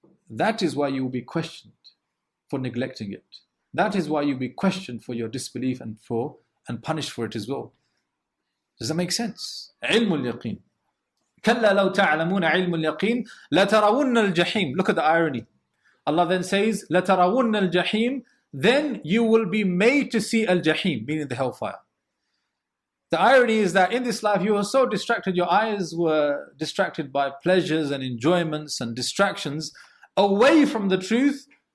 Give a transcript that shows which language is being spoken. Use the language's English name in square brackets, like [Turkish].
[English] That is why you will be questioned for neglecting it. That is why you'll be questioned for your disbelief and punished for it as well. Does that make sense? [Arabic] علم اليقين. كلا لو تعلمون علم اليقين لترون الجحيم. [English] Look at the irony. Allah then says, [Arabic] لترون الجحيم. [English] Then you will be made to see الجحيم, meaning the hellfire. The irony is that in this life you were so distracted, your eyes were distracted by pleasures and enjoyments and distractions away from the truth.